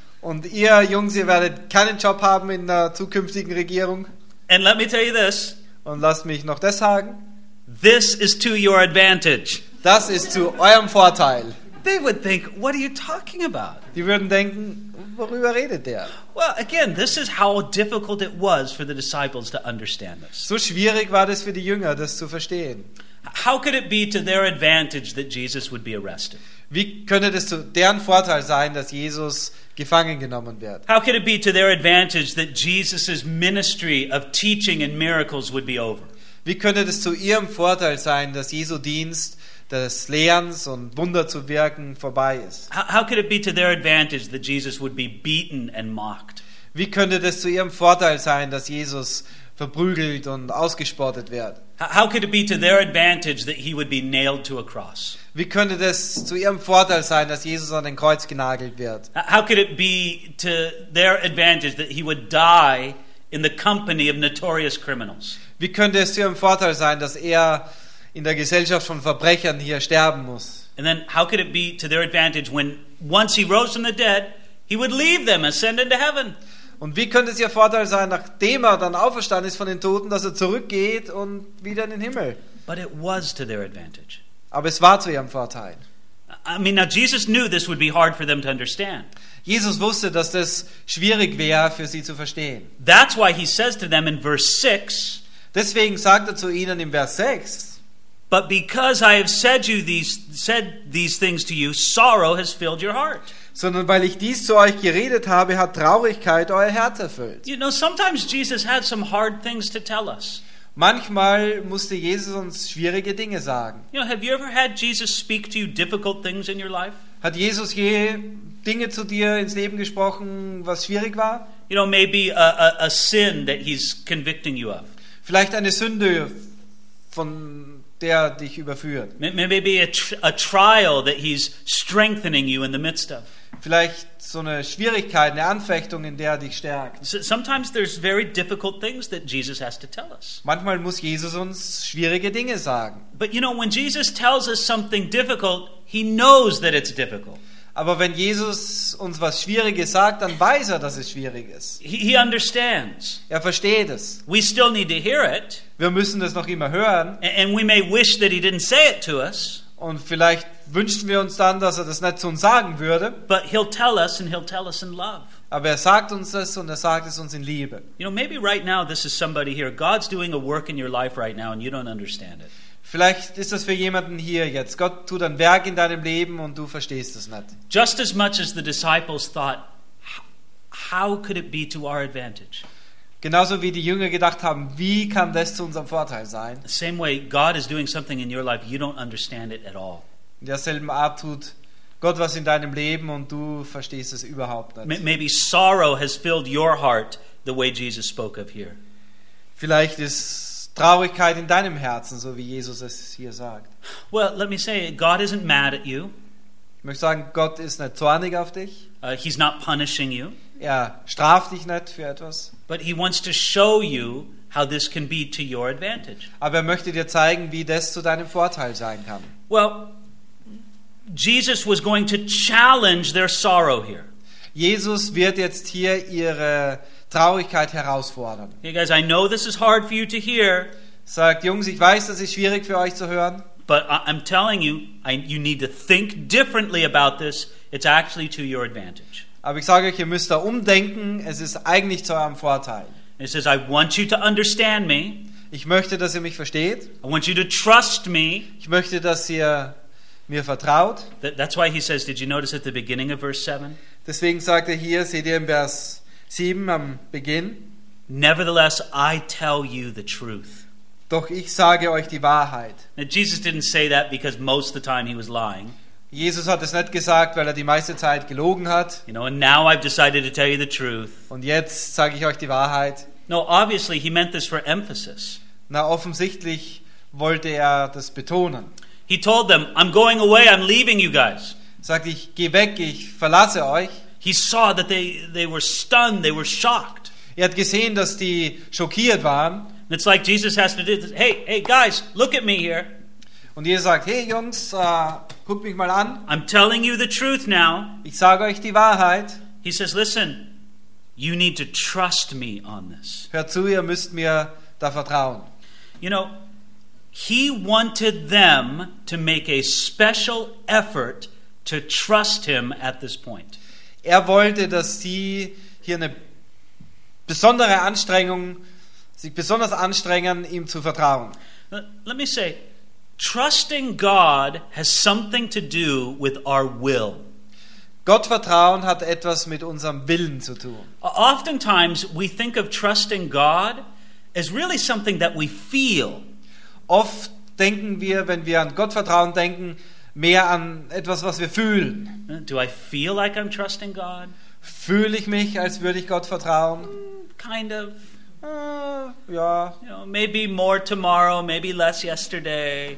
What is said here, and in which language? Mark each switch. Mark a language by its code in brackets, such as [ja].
[de] Und ihr Jungs, ihr werdet keinen Job haben in der zukünftigen Regierung. [en] And let me tell you this. [de] Und lasst mich noch das sagen. [en] This is to your advantage. [de] Das ist zu eurem Vorteil. [en] They would think, what are you talking about? [de] Die würden denken, worüber redet der? [en] Well, again, this is how difficult it was for the disciples to understand this. [de] So schwierig war das für die Jünger, das zu verstehen. [en] How could it be to their advantage that Jesus would be arrested? [de] Wie könnte das zu deren Vorteil sein, dass Jesus gefangen genommen wird? [en] How could it be to their advantage that Jesus's ministry of teaching and miracles would be over? [de] Wie könnte das zu ihrem Vorteil sein, dass Jesu Dienst des Lehrens und Wunder zu wirken vorbei ist? [en] How could it be to their advantage that Jesus would be beaten and mocked? [de] Wie könnte das zu ihrem Vorteil sein, dass Jesus verprügelt und ausgespottet wird? [en] How could it be to their advantage that he would be nailed to a cross? [de] Wie könnte das zu ihrem Vorteil sein, dass Jesus an den Kreuz genagelt wird? [en] How could it be to their advantage that he would die in the company of notorious criminals? [de] Wie könnte es zu ihrem Vorteil sein, dass er in der Gesellschaft von Verbrechern hier sterben muss? [en] And then how could it be to their advantage when once he rose from the dead, he would leave them, ascend into heaven? [de] Und wie könnte es ihr Vorteil sein, nachdem er dann auferstanden ist von den Toten, dass er zurückgeht und wieder in den Himmel? [en] But it was to their advantage. [de] Aber es war zu ihrem Vorteil. [en] I mean, now Jesus knew this would be hard for them to understand. [de] Jesus wusste, dass das schwierig wäre für sie zu verstehen. [en] That's why he says to them in verse 6. [de] Deswegen sagt er zu ihnen im Vers 6. [en] But because I have said these things to you, sorrow has filled your heart. [de] Sondern weil ich dies zu euch geredet habe, hat Traurigkeit euer Herz erfüllt. [en] You know, sometimes Jesus had some hard things to tell us. [de] Manchmal musste Jesus uns schwierige Dinge sagen. [en] You know, have you ever had Jesus speak to you difficult things in your life? [de] Hat Jesus je Dinge zu dir ins Leben gesprochen, was schwierig war? [en] You know, maybe a sin that he's convicting you of. [de] Vielleicht eine Sünde, von der dich überführt. [en] Maybe a trial that he's strengthening you in the midst of. [de] Vielleicht so eine Schwierigkeit, eine Anfechtung, in der er dich stärkt. [en] Sometimes there's very difficult things that Jesus has to tell us. [de] Manchmal muss Jesus uns schwierige Dinge sagen. [en] But you know, when Jesus tells us something difficult, he knows that it's difficult. [de] Aber wenn Jesus uns was Schwieriges sagt, dann weiß er, dass es schwierig ist. [en] He understands. [de] Er versteht es. [en] We still need to hear it. [de] Wir müssen das noch immer hören. [en] And we may wish that he didn't say it to us. [de] Und vielleicht wünschen wir uns dann, dass er das nicht zu uns sagen würde. [en] But he'll tell us and he'll tell us in love. [de] Aber er sagt uns das und er sagt es uns in Liebe. [en] You know, maybe right now this is somebody here. God's doing a work in your life right now and you don't understand it. [de] Vielleicht ist das für jemanden hier jetzt. Gott tut ein Werk in deinem Leben und du verstehst es nicht. [en] Just as much as the disciples thought, how could it be to our advantage? [de] Genauso wie die Jünger gedacht haben, wie kann das zu unserem Vorteil sein? [en] The same way God is doing something in your life, you don't understand it at all. [de] In derselben Art tut Gott was in deinem Leben und du verstehst es überhaupt nicht. [en] Maybe sorrow has filled your heart the way Jesus spoke of here. [de] Vielleicht ist Traurigkeit in deinem Herzen, so wie Jesus es hier sagt. [en] Well, let me say, God isn't mad at you. [de] Ich möchte sagen, Gott ist nicht zornig auf dich. [en] He's not punishing you. [de] Er straft dich nicht für etwas. [en] But he wants to show you how this can be to your advantage. [de] Aber er möchte dir zeigen, wie das zu deinem Vorteil sein kann. [en] Well, Jesus was going to challenge their sorrow here. [de] Jesus wird jetzt hier ihre Traurigkeit herausfordern. [en] Hey guys, I know this is hard for you to hear. [de] Sagt Jungs, ich weiß, das ist schwierig für euch zu hören. [en] But I'm telling you, you need to think differently about this. It's actually to your advantage. [de] Aber ich sage euch, ihr müsst da umdenken. Es ist eigentlich zu eurem Vorteil. [en] He says, I want you to understand me. [de] Ich möchte, dass ihr mich versteht. [en] I want you to trust me. [de] Ich möchte, dass ihr mir vertraut. [en] That's why he says, did you notice at the beginning of verse 7? [de] Deswegen sagt er hier, seht ihr im Vers 7 am Beginn. [en] Nevertheless, I tell you the truth. [de] Doch ich sage euch die Wahrheit. [en] Now, Jesus didn't say that because most of the time he was lying. [de] Jesus hat es nicht gesagt, weil er die meiste Zeit gelogen hat. [en] You know, and now I've decided to tell you the truth. [de] Und jetzt sage ich euch die Wahrheit. [en] No, obviously he meant this for emphasis. [de] Na, offensichtlich wollte er das betonen. [en] He told them, I'm going away, I'm leaving you guys. [de] Sagt, ich geh weg, ich verlasse euch. [en] He saw that they were stunned, they were shocked. [de] Er hat gesehen, dass die schockiert waren. [en] And it's like Jesus has to do this. Hey guys, look at me here. [de] Und Jesus sagt, hey Jungs, guckt mich mal an. [en] I'm telling you the truth now. [de] Ich sage euch die Wahrheit. [en] He says, listen, you need to trust me on this. [de] Hör zu, ihr müsst mir da vertrauen. [en] You know, he wanted them to make a special effort to trust him at this point. [de] Er wollte, dass sie hier eine besondere Anstrengung, sich besonders anstrengen, ihm zu vertrauen. [en] Let me say, trusting God has something to do with our will. [de] Gott vertrauen hat etwas mit unserem Willen zu tun. [en] Oftentimes we think of trusting God as really something that we feel. [de] Oft denken wir, wenn wir an Gott vertrauen denken, mehr an etwas, was wir fühlen. [en] Do I feel like I'm trusting God? [de] Fühle ich mich, als würde ich Gott vertrauen? [en] Kind of. [de] Ja. [en] You know, maybe more tomorrow, maybe less yesterday.